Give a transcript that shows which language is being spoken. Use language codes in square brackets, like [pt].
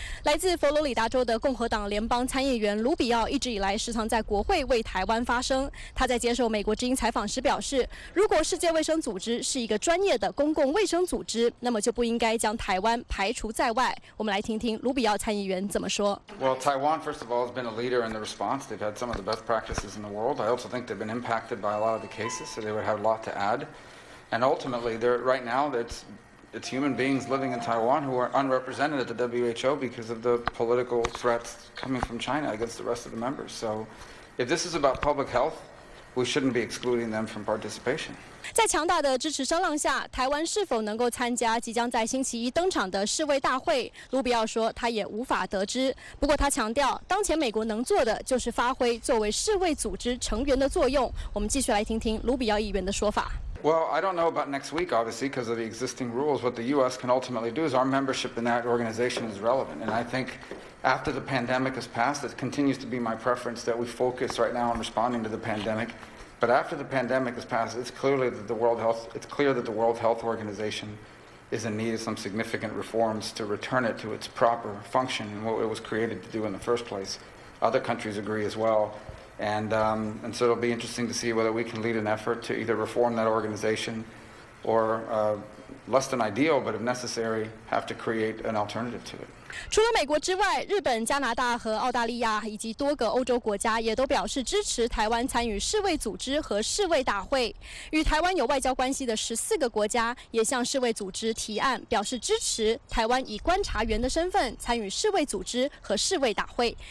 [zh] 来自佛罗里达州的共和党联邦参议员卢比奥一直以来时常在国会为台湾发声，他在接受美国之音采访时表示，如果是世界卫生组织是一个专业的公共卫生组织，那么就不应该将台湾排除在外。我们来听听卢比奥参议员怎么说。 [en] Well, Taiwan, first of all, has been a leader in the response. They've had some of the best practices in the world. I also think they've been impacted by a lot of the cases, so they would have a lot to add. And ultimately, they're right now, it's human beings living in Taiwan who are unrepresented at the WHO because of the political threats coming from China against the rest of the members. So, if this is about public health,We shouldn't be excluding them from participation. [zh] 在强大的支持声浪下，台湾是否能够参加即将在星期一登场的世卫大会？卢比奥说，他也无法得知。不过他强调，当前美国能做的就是发挥作为世卫组织成员的作用。我们继续来听听卢比奥议员的说法。 [en] Well, I don't know about next week, obviously, because of the existing rules. What the U.S. can ultimately do is our membership in that organization is relevant. And I think after the pandemic has passed, it continues to be my preference that we focus right now on responding to the pandemic. But after the pandemic has passed, it's clear that the World Health Organization is in need of some significant reforms to return it to its proper function and what it was created to do in the first place. Other countries agree as well. And so it'll be interesting to see whether we can lead an effort to either reform that organization or, less than ideal, but if necessary, have to create an alternative to it. [zh] 除了美国之外，日本、加拿大和澳大利亚以及多个欧洲国家也都表示支持台湾参与世卫组织和世卫大会。与台湾有外交关系的14个国家也向世卫组织提案，表示支持台湾以观察员的身份参与世卫组织和世卫大会。